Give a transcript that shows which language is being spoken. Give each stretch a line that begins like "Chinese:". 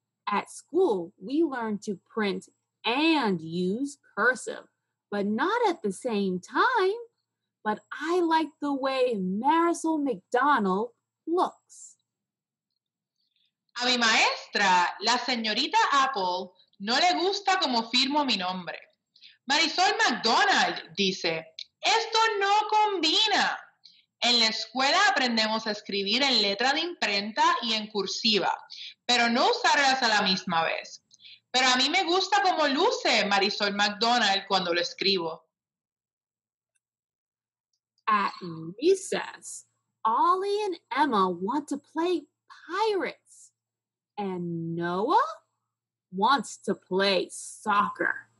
English: At school, we learn to print and use cursive, but not at the same time. But I like the way Marisol McDonald looks.
Spanish: A mi maestra, la señorita Apple, no le gusta como firmo mi nombre. Marisol McDonald dice, esto no combina. En la escuela aprendemos a escribir en letra de imprenta y en cursiva, pero no usarlas a la misma vez. Pero a mí me gusta cómo luce Marisol McDonald cuando lo escribo.
English: At recess, Ollie and Emma want to play pirates, and Noah wants to play soccer.